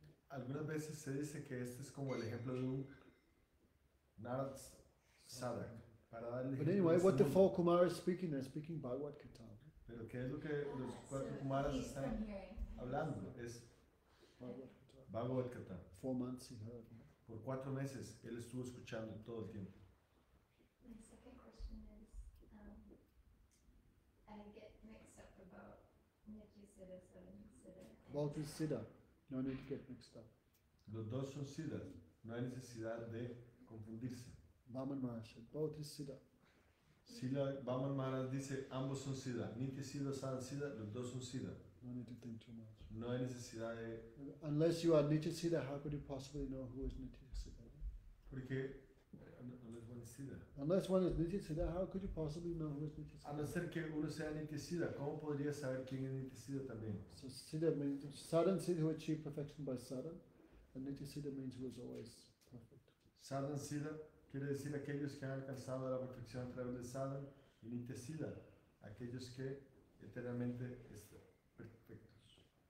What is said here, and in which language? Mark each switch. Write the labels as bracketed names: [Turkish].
[Spanish] Algunas veces se dice que este es como el ejemplo de un Narad Sadak. [English] But anyway, what the four Kumaras speaking, they're speaking Bhagavad Gita. [Spanish] Pero qué es lo que los cuatro Kumaras están hablando, es Bhagavad Gita. [English] 4 months he heard. [Spanish] Por 4 meses, él estuvo escuchando todo el tiempo. [English] My second question is, I get mixed up about Nityasiddha, Siddha. Both is Siddha, no need to get mixed up. [Spanish] Los dos son Siddha, no hay necesidad de confundirse. [English] Vaman Maharaj, both is Siddha. [Spanish] Siddha, Vaman Maharaj dice, ambos son Siddha. Nitya Siddha, Sadhana Siddha, los dos son Siddha. [English] No need to think too much. [Spanish] No hay necesidad de. [English] Unless you are Nitya Siddha, how could you possibly know who is Nitya Siddha? [Spanish] Porque, [English] unless one is Siddha. Unless one is Nitya Siddha, how could you possibly know who is Nitya Siddha? [Spanish] A no ser que uno sea Nitya Siddha, ¿cómo podría saber quién es Nitya Siddha también? [English] So Siddha means, Sadhana Siddha who achieved perfection by Sadhana, and Nitya Siddha means who is always perfect. Sadhana Siddha. [Spanish] Quiere decir aquellos que han alcanzado la perfección a través de Sadhana y Nitya Siddha, aquellos que eternamente están perfectos.